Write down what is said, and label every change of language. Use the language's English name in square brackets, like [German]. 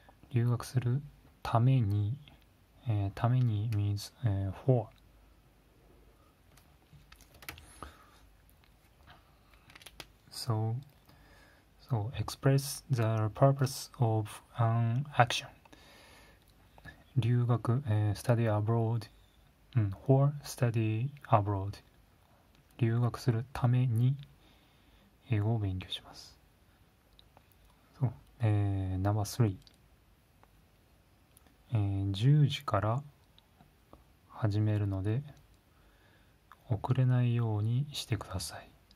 [Japanese] 留学するために、ために [English] means for。 So express the purpose of an action. [Japanese] 留学、 [English] study abroad, for study abroad. [Japanese] 留学するために英語を勉強します。 [English] Number 3。 [Japanese] 10時から始めるので遅れないようにしてください。